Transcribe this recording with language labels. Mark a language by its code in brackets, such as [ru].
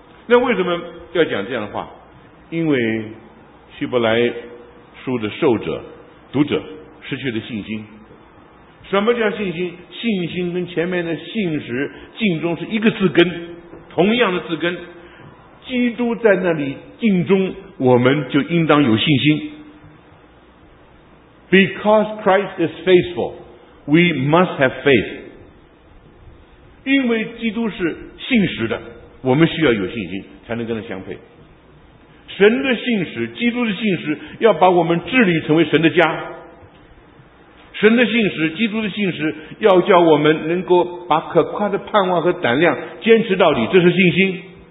[zh] 那为什么要讲这样的话？因为希伯来书的受者读者失去了信心。什么叫信心？信心跟前面的信实敬忠是一个字根，同样的字根。基督在那里敬忠，我们就应当有信心。 [en] Because Christ is faithful, we must have faith. [zh] 因为基督是信实的，我们需要有信心才能跟他相配。神的信实，基督的信实，要把我们治理成为神的家。神的信实，基督的信实，要叫我们能够把可夸的盼望和胆量坚持到底，这是信心。